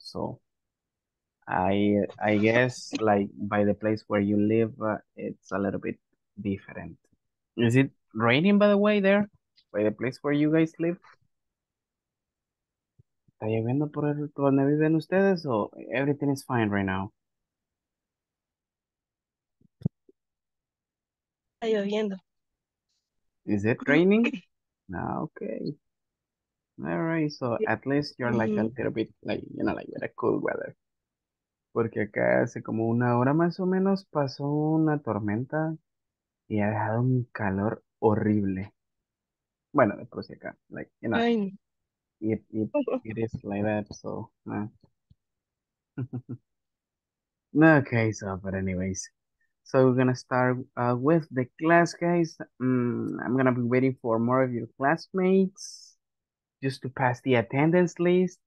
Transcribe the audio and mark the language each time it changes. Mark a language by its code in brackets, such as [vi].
[en] So I guess like by the place where you live, it's a little bit different. Is it raining, by the way, there, by the place where you guys live? [es] ¿Lloviendo por donde viven ustedes o [en] everything is fine right now? [es] Lloviendo. [en] Is it raining? No, okay. All right, so at least you're like a little bit like, like with a cool weather. [es] Porque acá hace como una hora más o menos pasó una tormenta y ha dejado un calor horrible. Bueno, después de acá, like, Ay. [en] it is like that, so, Okay, so, but anyways. So we're gonna start with the class, guys. I'm gonna be waiting for more of your classmates just to pass the attendance list.